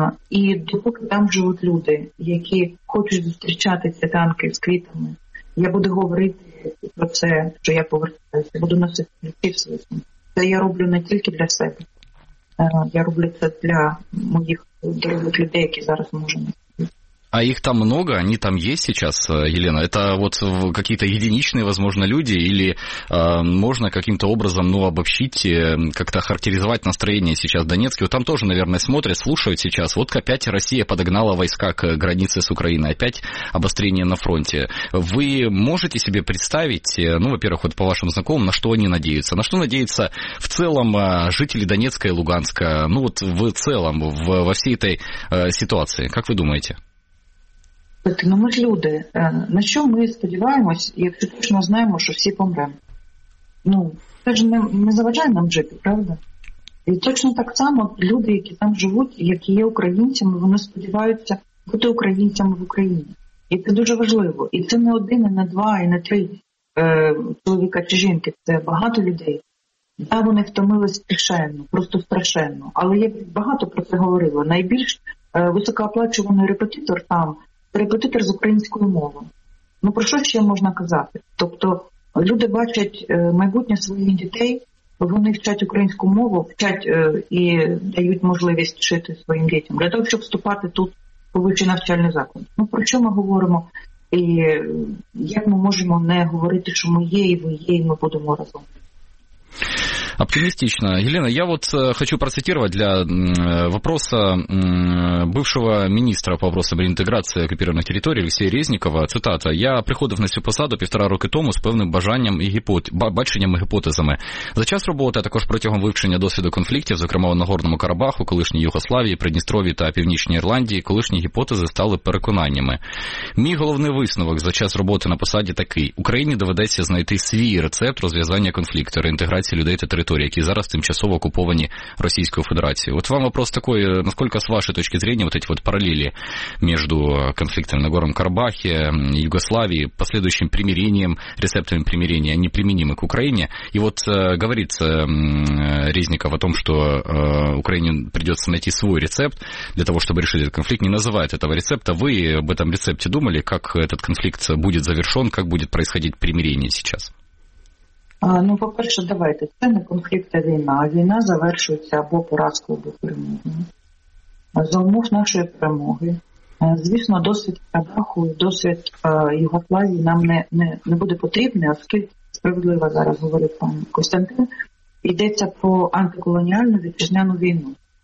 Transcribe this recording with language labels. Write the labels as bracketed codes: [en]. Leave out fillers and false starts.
[uk] І допоки там живуть люди, які хочуть зустрічати ці танки з квітами, я буду говорити про це, що я повертаюся, буду носити квіти в своєму. Це я роблю не тільки для себе, я роблю це для моїх дорогих людей, які зараз можуть. [ru] А их там много? Они там есть сейчас, Елена? Это вот какие-то единичные, возможно, люди? Или можно каким-то образом, ну, обобщить, как-то характеризовать настроение сейчас Донецка? Вот там тоже, наверное, смотрят, слушают сейчас. Вот опять Россия подогнала войска к границе с Украиной. Опять обострение на фронте. Вы можете себе представить, ну, во-первых, вот по вашим знакомым, на что они надеются? На что надеются в целом жители Донецка и Луганска? Ну, вот в целом, во всей этой ситуации. Как вы думаете? [uk] Ну, ми ж люди. На що ми сподіваємось, якщо точно знаємо, що всі помремо? Ну, це ж не заважає нам жити, правда? І точно так само люди, які там живуть, які є українцями, вони сподіваються бути українцями в Україні. І це дуже важливо. І це не один, і не два, і не три чоловіка чи жінки. Це багато людей. Да, вони втомились страшенно, просто страшенно. Але я багато про це говорила. Найбільш високооплачуваний репетитор там – репетитор з української мови. Ну, про що ще можна казати? Тобто, люди бачать майбутнє своїх дітей, вони вчать українську мову, вчать і дають можливість вчити своїм дітям, для того, щоб вступати тут у вищий навчальний заклад. Ну, про що ми говоримо? І як ми можемо не говорити, що ми є, і ви є, і ми будемо разом? [ru] Оптимистично. Елена, я вот хочу процитировать для вопроса бывшего министра по вопросам реинтеграции оккупированных территорий Алексея Резникова. Цитата. [uk] «Я приходив на цю посаду півтора роки тому з певним бажанням і баченням і гіпотезами. За час роботи, а також протягом вивчення досвіду конфліктів, зокрема в Нагорному Карабаху, колишній Югославії, Придністрові та Північній Ірландії, колишні гіпотези стали переконаннями. Мій головний висновок за час роботи на посаді такий. Україні доведеться знайти свій рецепт розв'язання конфлікту, реінтеграції людей та [ru] территории, которые сейчас [uk] тимчасово [ru] окупованы Российской Федерацией. Вот вам вопрос такой, насколько с вашей точки зрения вот эти вот параллели между конфликтами на Горном Карабахе, Югославии, последующим примирением, рецептами примирения, они применимы к Украине. И вот говорится Резников о том, что Украине придется найти свой рецепт для того, чтобы решить этот конфликт, не называет этого рецепта. Вы об этом рецепте думали, как этот конфликт будет завершен, как будет происходить примирение сейчас? [uk] Ну, по-перше, давайте, це не конфлікт, а війна. Війна завершується або поразкою, або перемогою. За умов нашої перемоги, звісно, досвід Карабаху, досвід Югославії нам не буде потрібний, оскільки справедливо зараз говорить пан Костянтин, йдеться про антиколоніальну вітчизняну війну.